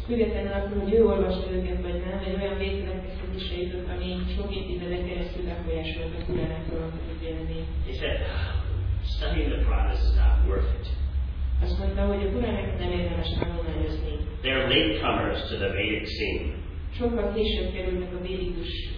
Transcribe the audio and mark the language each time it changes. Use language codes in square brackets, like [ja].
[hu] Függetlenül attól, hogy ő olvasta őket vagy nem, egy olyan végkövetkezésre jutott, ami sok évtizeden keresztül befolyásolta Puránákról a megjelenését. [en] He said, studying the Puranas is not worth it. [hu] Azt mondta, hogy a Puránákat nem érdemes tanulmányozni. [en] They are latecomers to the Vedic scene. [hu] Sokkal később kerülnek a Vedikus